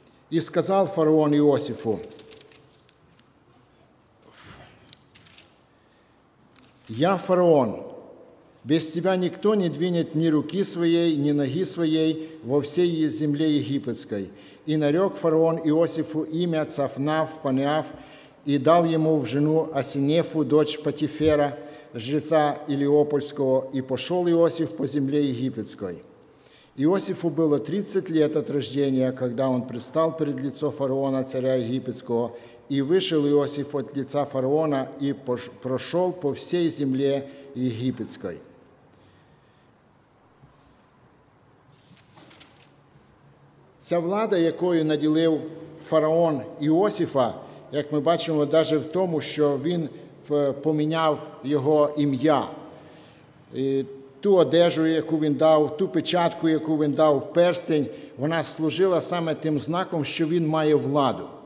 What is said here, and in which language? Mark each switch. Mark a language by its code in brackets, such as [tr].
[uk] «І сказав фараон Іосифу, «Я фараон, без тебя ніхто не двинет ні руки своєї, ні ноги своєї во всій землі єгипетській». І нарек фараон Іосифу ім'я Цафнав-Панеаф і дав йому в жену Асінефу, дочь Потіфера, жреця Іліопольського. І пішов Іосиф по землі єгипетській. Іосифу було [ru] 30 лет от рождения, когда он пристал перед лицо фараона, царя египетского, и вышел Иосиф от лица фараона и прошел по всей земле египетской. [uk] Ця влада, якою наділив фараон Іосифа, як ми бачимо, даже в тому, що він поміняв його ім'я. Ту одежу, яку він дав, ту печатку, яку він дав, перстень, вона служила саме тим знаком, що він має владу.